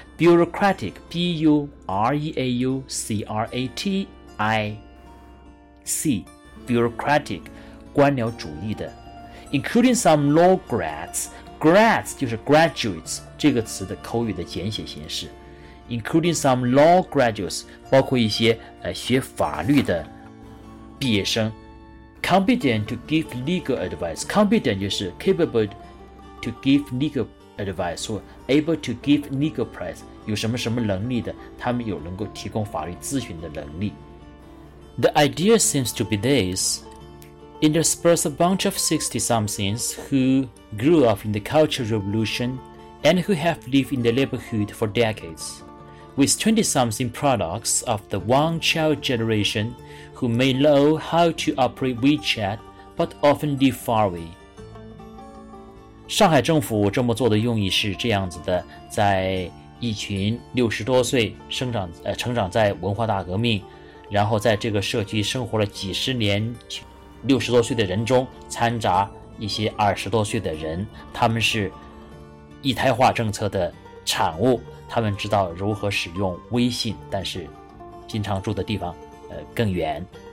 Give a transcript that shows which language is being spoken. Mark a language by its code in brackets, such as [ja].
[en] Bureaucratic, B-U-R-E-A-U-C-R-A-T-I-C, bureaucratic, [zh] 官僚主义的 [en] including some law grads, grads 就是 graduates, [zh] 这个词的口语的简写形式 [en] including some law graduates, [zh] 包括一些学法律的毕业生 [en] Competent to give legal advice. Competent 就是 capable to give legal advice or able to give legal advice. [zh] 有什么什么能力的，他们有能够提供法律咨询的能力。 [en] The idea seems to be this. Intersperse a bunch of 60-somethings who grew up in the Cultural Revolution and who have lived in the neighborhood for decades, with 20-something products of the Wang Chao generation who may know how to operate WeChat but often live far away. [zh] 上海政府这么做的用意是这样子的，在一群60多岁成长在文化大革命，然后在这个社区生活了几十年，60多岁的人中掺杂一些20多岁的人，他们是一胎化政策的产物，他们知道如何使用微信，但是经常住的地方更远。